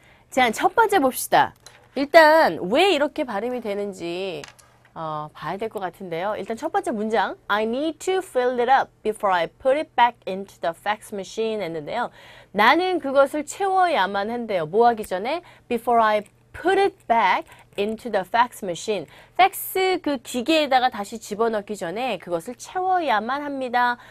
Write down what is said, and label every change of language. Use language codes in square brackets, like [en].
[ko] 자, 첫 번째 봅시다. 일단 왜 이렇게 발음이 되는지 봐야 될 것 같은데요. 일단 첫 번째 문장, [en] I need to fill it up before I put it back into the fax machine [ko] 했는데요. 나는 그것을 채워야만 한대요. 뭐 하기 전에? [en] Before I put it back into the fax machine. [ko] fax 그 기계에다가 다시 집어넣기 전에 그것을 채워야만 합니다.